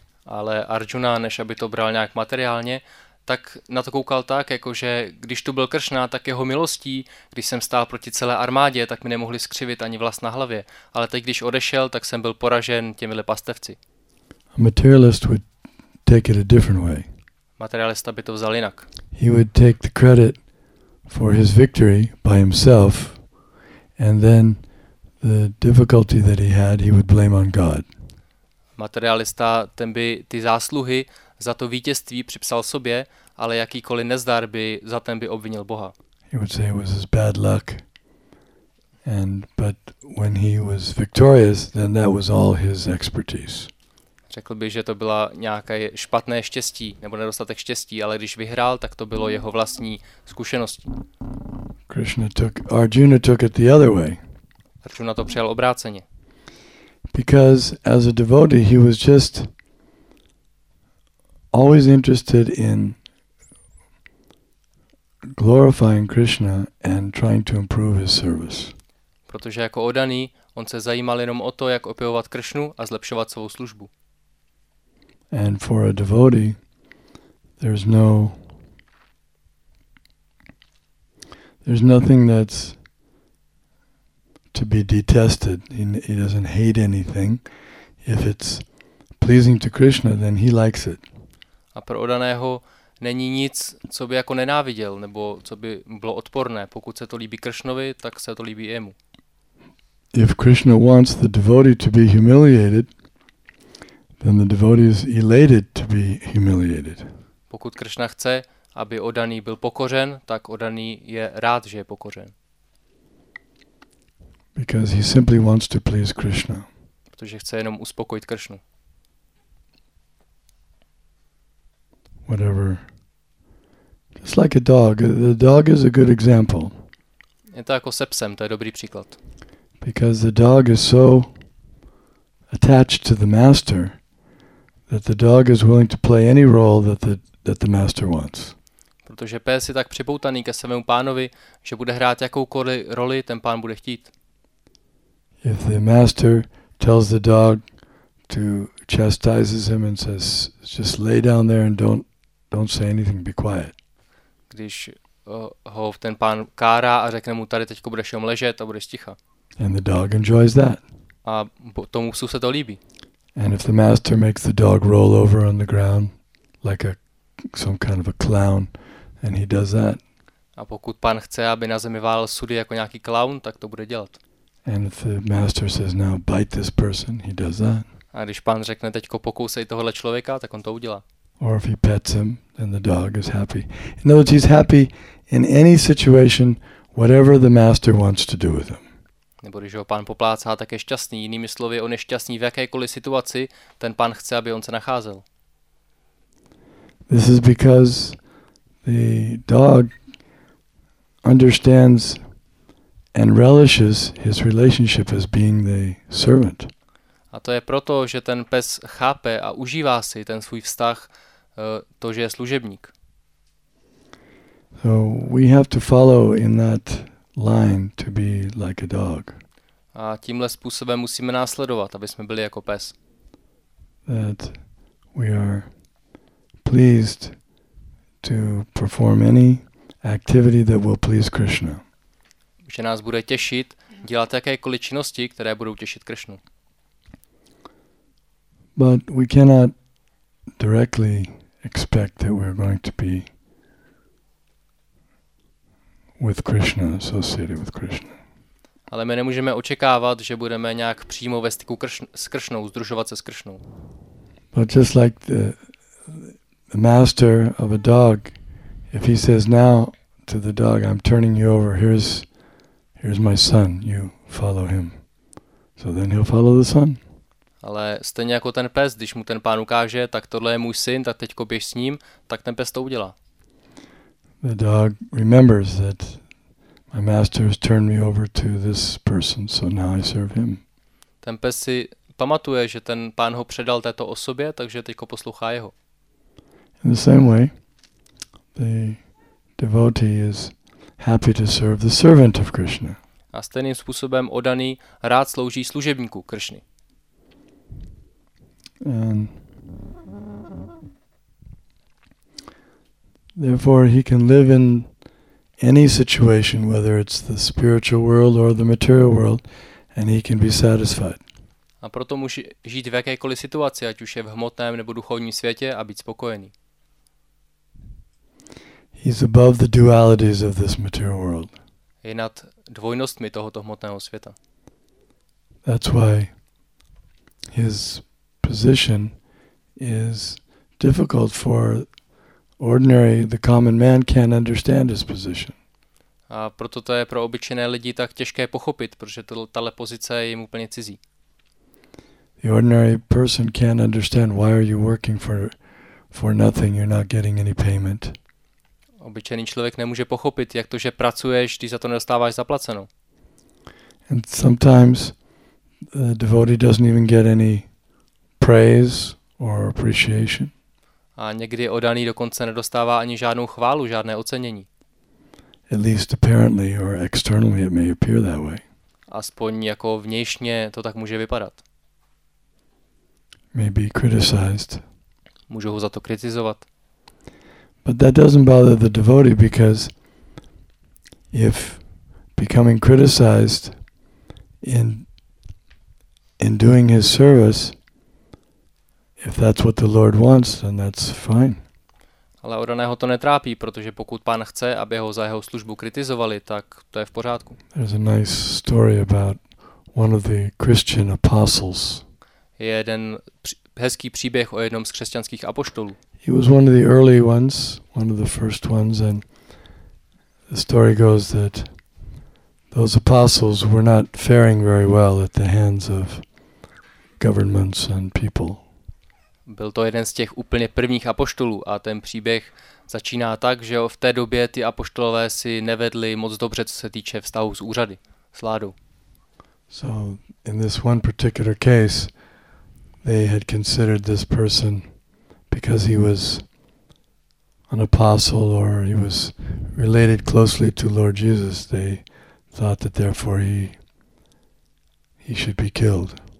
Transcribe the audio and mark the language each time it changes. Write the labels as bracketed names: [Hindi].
[Czech] Ale Arjuna, než aby to bral nějak materiálně, tak na to koukal tak, jakože když tu byl Kršna, tak jeho milostí, když jsem stál proti celé armádě, tak mi nemohli skřivit ani vlas na hlavě. Ale teď, když odešel, tak jsem byl poražen těmihle pastevci. [English] A materialist would take it a different way. [Czech] Materialista by to vzal jinak. [English] He would take the credit for his victory by himself, and then the difficulty that he had, he would blame on God. [Czech] Materialista, ten by ty zásluhy za to vítězství připsal sobě, ale jakýkoliv nezdar by za ten by obvinil Boha. [English] He would say it was his bad luck. And but when he was victorious, then that was all his expertise. [Czech] Řekl by, že to byla nějaké špatné štěstí nebo nedostatek štěstí, ale když vyhrál, tak to bylo jeho vlastní zkušeností. [English] Arjuna took it the other way. [Czech] Arjuna to přijal obráceně. [English] Because as a devotee he was just always interested in glorifying Krishna and trying to improve his service. [Czech] Protože jako oddaný on se zajímal jenom o to, jak opěvovat Kršnu a zlepšovat svou službu. [English] And for a devotee there's nothing that's to be detested. He doesn't hate anything. If it's pleasing to Krishna, then he likes it. [Czech] A pro odaného není nic, co by jako nenáviděl, nebo co by bylo odporné. Pokud se to líbí Kršnovi, tak se to líbí i jemu. [English] If Krishna wants the devotee to be humiliated, then the devotee is elated to be humiliated. [Czech] Pokud Krishna chce, aby oddaný byl pokořen, tak oddaný je rád, že je pokořen. [English] Because he simply wants to please Krishna. [Czech] Protože chce jenom uspokojit Kršnu. [English] Whatever. It's like a dog. The dog is a good example. [Czech] Je to jako se psem, to je dobrý příklad. [English] Because the dog is so attached to the master that the dog is willing to play any role that the master wants. [Czech] Protože pes je tak připoutaný ke svému pánovi, že bude hrát jakoukoliv roli ten pán bude chtít. [English] If the master tells the dog to chastises him and says just lay down there and don't say anything, be quiet. [Czech] Když ho ten pán kárá a řekne mu tady teďko budeš jenom ležet a budeš ticha. [English] And the dog enjoys that. [Czech] A tomu psu se to líbí. [English] And if the master makes the dog roll over on the ground like a some kind of a clown and he does that. [Czech] A pokud pán chce, aby na zemi válel sudy jako nějaký clown, tak to bude dělat. [English] And if the master says now bite this person, he does that. [Czech] A když pán řekne teďko pokousej tohohle člověka, tak on to udělá. [English] Or if he pets him, then the dog is happy. In other words, he's happy in any situation, whatever the master wants to do with him. [Czech] Nebo když ho pán poplácá, tak je šťastný. Jinými slovy, on je šťastný v jakékoliv situaci, ten pán chce, aby on se nacházel. [English] This is because the dog understands and relishes his relationship as being the servant. [Czech] A to je proto, že ten pes chápe a užívá si ten svůj vztah, to, že je služebník. [English] So we have to follow in that line to be like a dog. [Czech] A tímhle způsobem musíme následovat, aby jsme byli jako pes. [English] That we are pleased to perform any activity that will please Krishna. [Czech] Že nás bude těšit dělat jakékoliv činnosti, které budou těšit Krishnu. [English] But we cannot directly expect that we're going to be with Krishna, associated with Krishna. [Czech] Ale my nemůžeme očekávat, že budeme nějak přímo ve styku s Kršnou, združovat se s Kršnou. [English] But just like the master of a dog, if he says now to the dog, I'm turning you over, here's my son, you follow him. So then he'll follow the son. [Czech] Ale stejně jako ten pes, když mu ten pán ukáže, tak tohle je můj syn, tak teďko běž s ním, tak ten pes to udělá. [English] The dog remembers that my master has turned me over to this person, so now I serve him. [Czech] Ten pes si pamatuje, že ten pán ho předal této osobě, takže teďko poslouchá jeho. [English] In the same way, the devotee is happy to serve the servant of Krishna. [Czech] A stejným způsobem oddaný rád slouží služebníku Kršny. [English] And therefore he can live in any situation, whether it's the spiritual world or the material world, and he can be satisfied. [Czech] A proto může žít v jakékoliv situaci, ať už je v hmotném nebo duchovním světě, a být spokojený. [English] He's above the dualities of this material world. [Czech] Je nad dvojnostmi tohoto hmotného světa. [English] That's why his position is difficult for ordinary, the common man can't understand his position. [Czech] A proto to je pro obyčejné lidi tak těžké pochopit, protože tato pozice je jim úplně cizí. [English] The ordinary person can't understand why are you working for nothing, you're not getting any payment. [Czech] Obyčejný člověk nemůže pochopit, jak to, že pracuješ, když za to nedostáváš zaplaceno. [English] And sometimes the devotee doesn't even get any praise or appreciation. [Czech] A někdy oddaný dokonce nedostává ani žádnou chválu, žádné ocenění. [English] At least apparently or externally it may appear that way. [Czech] Aspoň jako vnějšně to tak může vypadat. [English] May be criticized. [Czech] Můžou ho za to kritizovat. [English] But that doesn't bother the devotee because if becoming criticized in doing his service, if that's what the Lord wants, then that's fine. [Czech] Ale Oraného to netrápí, protože pokud pán chce, aby ho za jeho službu kritizovali, tak to je v pořádku. [English] There's a nice story about one of the Christian apostles. [Czech] Je jeden hezký příběh o jednom z křesťanských apoštolů. [English] He was one of the early ones, one of the first ones, and the story goes that those apostles were not faring very well at the hands of governments and people. [Czech] Byl to jeden z těch úplně prvních apoštolů a ten příběh začíná tak, že v té době ty apoštolové si nevedli moc dobře, co se týče vztahu s úřady, s vládou. [English] So in this one particular case, they had considered this person because he was an apostle or he was related closely to Lord Jesus, they thought that therefore he should be killed.